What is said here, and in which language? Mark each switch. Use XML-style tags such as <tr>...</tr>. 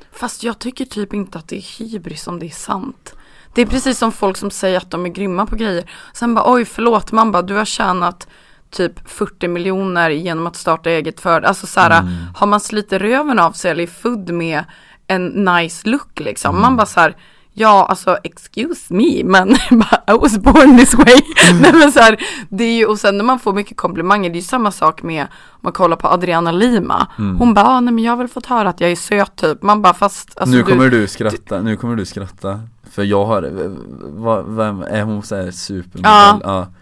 <sv>Fast jag tycker typ inte att det är hybris om det är sant. Det är precis som folk som säger att de är grymma på grejer. Sen bara, oj förlåt, man bara, du har tjänat typ 40 miljoner genom att starta eget företag. Alltså såhär, har man slitit röven av sig eller är född med en nice look liksom? Man bara såhär, ja alltså</sv> <en>excuse me,</en> <sv>men</sv> <en>I was born this way.</en> <sv>Nej, men så här, det är ju, och sen när man får mycket komplimanger, det är ju samma sak med om man kollar på Adriana Lima. Hon bara, nej men jag har väl fått höra att jag är söt typ. Man bara, fast alltså, nu kommer du skratta. För jag har, vem är hon, så här supermodell? Ja.</sv>